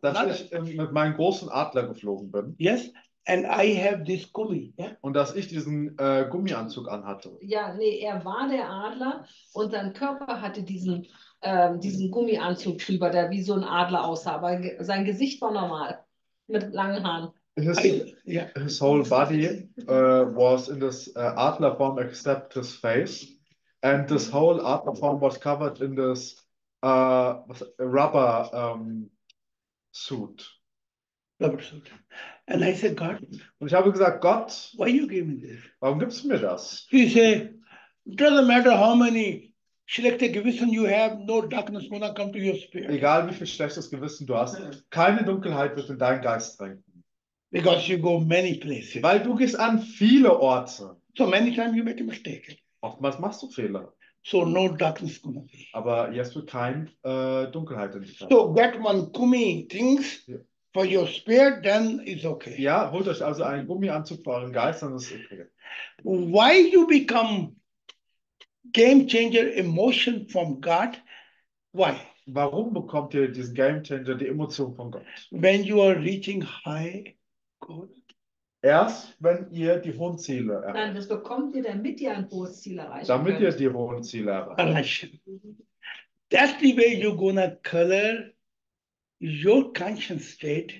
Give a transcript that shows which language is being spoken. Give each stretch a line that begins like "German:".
German: Dass ich mit meinem großen Adler geflogen bin.
English: Yes. And I have this Gummi. Yeah?
German: Und dass ich diesen Gummianzug anhatte. Ja, nee, er war der Adler und sein Körper hatte diesen. Diesen Gummianzug drüber, der wie so ein Adler aussah, aber sein Gesicht war normal, mit langen Haaren.
English: His whole body was in this Adler form except his face and this whole Adler form was covered in this rubber suit. Rubber suit. And I said, God,
German: und ich habe gesagt, Gott,
English: why you give me this?
German: Warum gibst du mir das?
English: He said, doesn't matter how many
German: schlechte Gewissen
English: you have, no darkness gonna come to your spirit.
German: Egal wie viel schlechtes Gewissen du hast, keine Dunkelheit wird in deinen Geist treten.
English: Because you go many places.
German: Weil du gehst an viele Orte.
English: So many times you make a mistake.
German: Oftmals machst du Fehler.
English: So no darkness gonna be.
German: Aber jetzt wird kein Dunkelheit in dich.
English: So get one kumi things for your spirit, then it's okay.
German: Ja, holt euch also einen Gummianzug für euren Geist, dann ist es okay.
English: Why you become game changer emotion from God. Why?
German: Warum bekommt ihr diesen Game Changer, die Emotion von Gott?
English: When you are reaching high goal.
German: Erst wenn ihr die hohen Ziele erreicht. Nein, das bekommt ihr, damit ihr ein hohes Ziel erreicht. Damit könnt. Ihr die hohen Ziele erreicht.
English: That's the way you're gonna color your conscience state.